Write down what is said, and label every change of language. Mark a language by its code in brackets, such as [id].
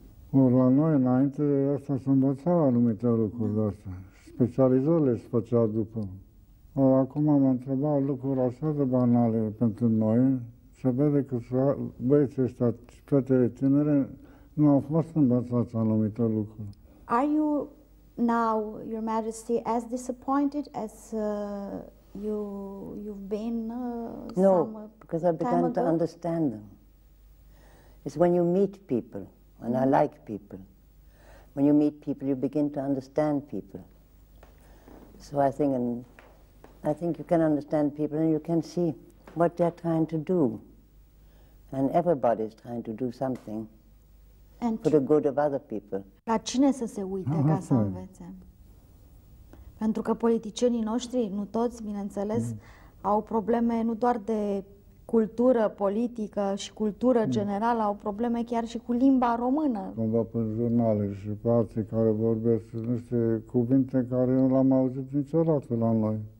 [ro] Ori la noi, înainte, asta se învăța anumite lucruri de astea. Specializările se făcea după. Ori acum am întrebat lucruri așa de banale pentru noi, se vede că băieții ăștia, fetele tinere, nu au fost învățați anumite lucruri. [en] Are you now, Your Majesty, as disappointed as you've been No, because I began to understand them. It's when you meet people, and I like people. When you meet people, you begin to understand people. So I think you can understand people and you can see what they're trying to do. And everybody's trying to do something and for the good of other people. [ro] La cine să se uite ca să învețe? Pentru că politicienii noștri, nu toți, bineînțeles, au probleme nu doar de cultură politică și cultură generală, au probleme chiar și cu limba română. Când văd pe jurnale și pe alții care vorbesc niște cuvinte care nu le-am auzit niciodată la noi.